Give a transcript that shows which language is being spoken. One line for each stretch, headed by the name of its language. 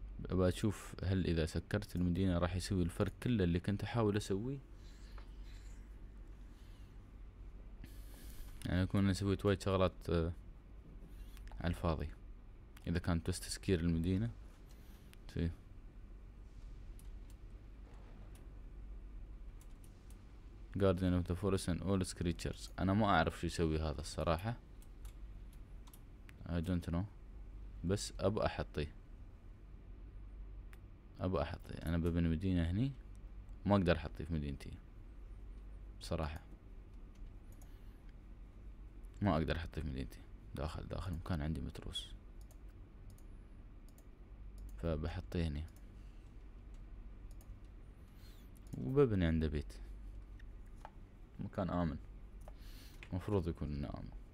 Arabic: ابغى اشوف هل اذا سكرت المدينة راح يسوي الفرق كله اللي كنت احاول اسويه. يعني اكون انا سويت وايد شغلات على الفاضي اذا كانت بس تسكير المدينة.
English: في Guardian of the Forest and all its creatures.
Arabic: انا ما اعرف شو يسوي هذا الصراحة.
English: I don't know.
Arabic: بس ابى احطي انا ببني مدينة هني، ما اقدر احطي في مدينتي بصراحة، ما اقدر احطي في مدينتي داخل مكان عندي متروس، فبحطي هني وببني عنده بيت، مكان آمن، مفروض يكون انه آمن.